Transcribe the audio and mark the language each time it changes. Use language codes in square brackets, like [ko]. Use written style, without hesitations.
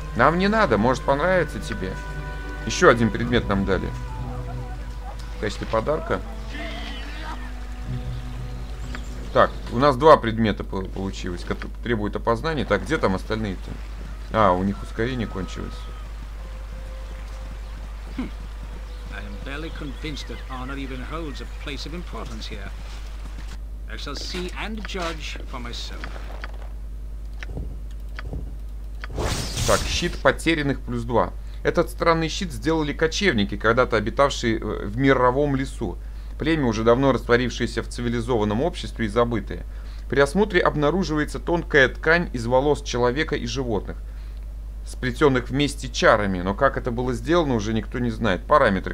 [ru] Нам не надо, может понравится тебе. Еще один предмет нам дали. В качестве подарка. Так, у нас два предмета получилось, которые требуют опознания. Так, где там остальные-то? А, у них ускорение кончилось. [en] Convinced that honor even holds a place of importance here. I shall see and judge for myself. [ru] Так, щит потерянных плюс два. Этот странный щит сделали кочевники, когда-то обитавшие в мировом лесу. Племя, уже давно растворившееся в цивилизованном обществе и забытое. При осмотре обнаруживается тонкая ткань из волос человека и животных, сплетенных вместе чарами, но как это было сделано, уже никто не знает. Параметры.